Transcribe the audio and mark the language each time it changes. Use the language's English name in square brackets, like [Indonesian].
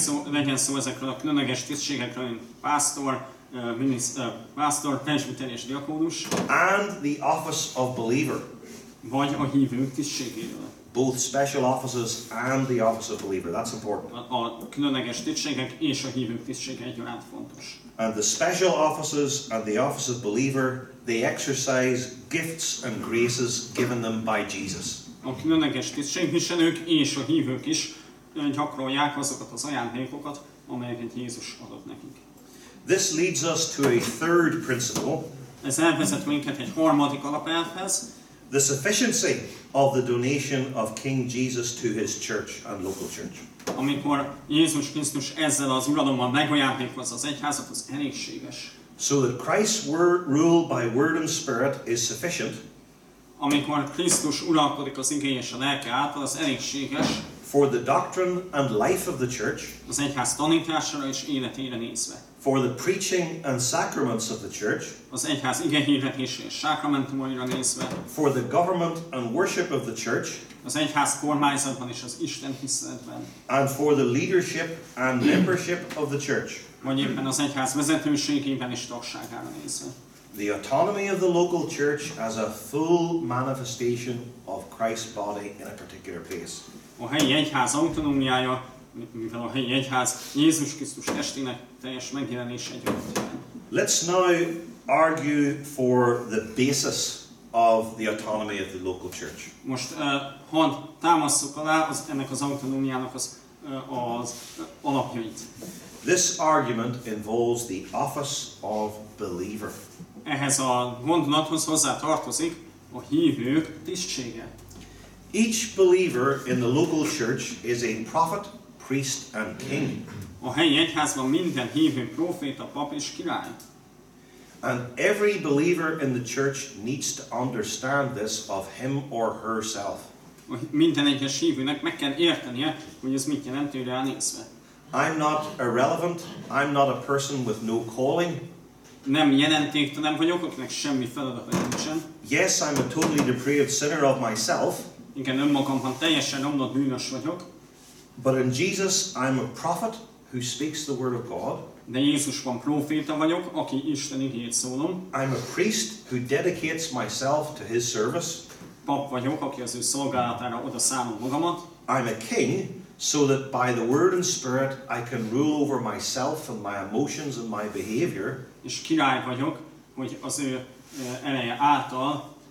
[Hungarian] Legyen szó ezekről a különleges tisztségekről, mint pásztor, presbiter és diakónus. [English] And the office of believer. [Hungarian] Vagy a hívők tisztségéről. [English] Both special offices and the office of believer. That's important. [Hungarian] A különleges tisztségek és a hívők tisztsége egyaránt fontos. [English] And the special offices and the office of believer, they exercise gifts and graces given them by Jesus. [Hungarian] A különleges tisztségviselők és a hívők is gyakorolják azokat az ajándékokat, amelyeket Jézus adott nekik. [English] This leads us to a third principle. [Hungarian] Ez elvezet minket egy harmadik alapelvhez. [English] The sufficiency of the donation of King Jesus to his church and local church. [Hungarian] Amikor Jézus Krisztus ezzel az uralommal megajándékozza az egyházat, az elégséges. [English] So that Christ's word, rule by word and spirit is sufficient. [Hungarian] Amikor Krisztus uralkodik az igény és a lelke által, az elégséges. [English] For the doctrine and life of the church. [Hungarian] Az egyház tanítására és életére nézve. [English] For the preaching and sacraments of the church. [Hungarian] Az egyház igehirdetési és sákramentumaira nézve. [English] For the government and worship of the church. [Hungarian] Az egyház kormányzatban és az Isten tiszteletben. [English] And for the leadership and membership of the church. [Hungarian] Vagy éppen az egyház vezetőségében és tagságára nézve. [English] The autonomy of the local church as a full manifestation of Christ's body in a particular place. [Hungarian] A helyi egyház autonómiája, mivel a helyi egyház Jézus Krisztus testének teljes megjelenése egy adott helyen. [English] Let's now argue for the basis of the autonomy of the local church. [Hungarian] Most hadd támasszuk alá ennek az autonómiának az alapjait. [English] This argument involves the office of believer. [Hungarian] Ehhez a gondolathoz hozzá tartozik a hívők tisztsége. [English] Each believer in the local church is a prophet, priest and king. [Hungarian] A helyi egyházban minden hívő proféta, pap és király. [English] And every believer in the church needs to understand this of him or herself. [Hungarian] Minden egyes hívőnek meg kell értenie, hogy ez mit jelent őre elnézve. [English] I'm not irrelevant, I'm not a person with no calling. [Hungarian] Nem jelentéktelen vagyok, akinek semmi feladata nincsen. [English] Yes, I'm a totally depraved sinner of myself. [Hungarian] Igen, önmagamban teljesen romlott bűnös vagyok. [English] But in Jesus, I'm a prophet who speaks the word of God. [Hungarian] de Jézusban próféta vagyok, aki Isten igéjét szólom. [English] I'm a priest who dedicates myself to his service. [Hungarian] Pap vagyok, aki az ő szolgálatára odaszánom magamat. [English] I'm a king, so that by the word and spirit I can rule over myself and my emotions and my behavior. [Hungarian] És király vagyok, hogy az ő eleje által